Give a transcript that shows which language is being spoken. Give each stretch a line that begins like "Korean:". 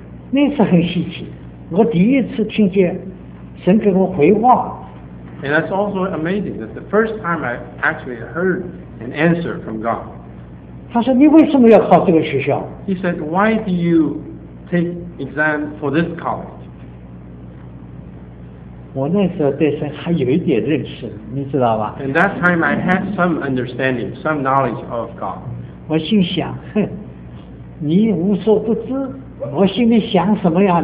Chinese: 那次很稀奇，我第一次听见神给我回话。
English: And that's also amazing, that the first time I actually heard an answer from God.
Chinese: 他说你为什么要考这个学校？
English: He said, why do you take exam for this college?
Chinese: 我那时候对神还有一点认识，你知道吧？
English: In that time, I had some understanding, some knowledge of God.
Chinese: 我心想，你无所不知，我心里想什么呀？